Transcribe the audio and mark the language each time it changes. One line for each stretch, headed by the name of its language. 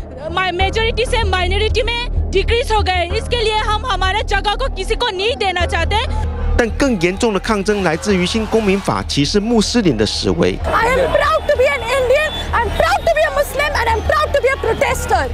Hindi: majority से minority में decrease हो गए, इसके लिए हम हमारे जगह को किसी को नहीं देना चाहते。
Chinese: 但更严重的抗争来自于新公民法歧视穆斯林的示威。
English: I am proud to be an Indian, I'm proud to be a Muslim, and I'm proud to be a protester。